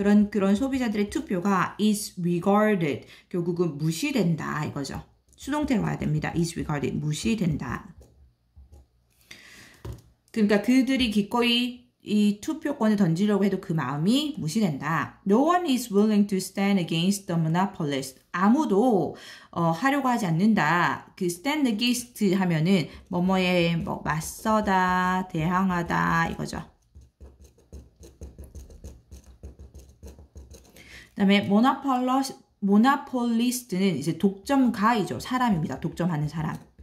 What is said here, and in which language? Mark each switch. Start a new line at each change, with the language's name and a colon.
Korean: 그런 소비자들의 투표가
English: is regarded.
Korean: 결국은 무시된다. 이거죠. 수동태로 와야 됩니다. is regarded. 무시된다. 그러니까 그들이 기꺼이 이 투표권을 던지려고 해도 그 마음이 무시된다.
English: No one is willing to stand against the monopolist.
Korean: 아무도, 하려고 하지 않는다. 그
English: stand against
Korean: 하면은, 뭐뭐에 뭐, 맞서다, 대항하다. 이거죠. 그다음에 모나폴리스트는 이제 독점가이죠. 사람입니다. 독점하는 사람.